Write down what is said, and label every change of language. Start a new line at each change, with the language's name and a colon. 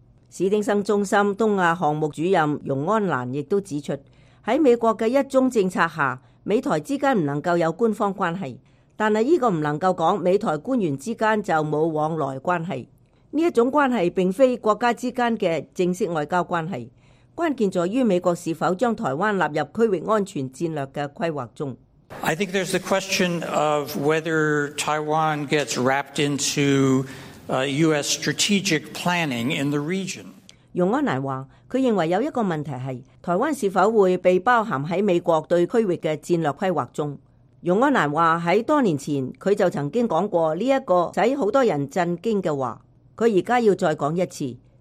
Chinese: 史丁生中心东亚项目主任容安兰亦都指出，在美国的一中政策下，美台之间不能够有官方关系，但是这个不能够说美台官员之间就没有往来关系。这种关系并非国家之间的正式外交关系，关键在于美国是否将台湾纳入区域安全战略的规划中。
English: I think there's the question of whether Taiwan gets wrapped into U.S. strategic planning in the region.
Chinese: 容安兰说，他认为有一个问题是台湾是否会被包含在美国对区域的战略规划中。容安兰说，在多年前他就曾经讲过这个使很多人震惊的话，他现在要再讲一次。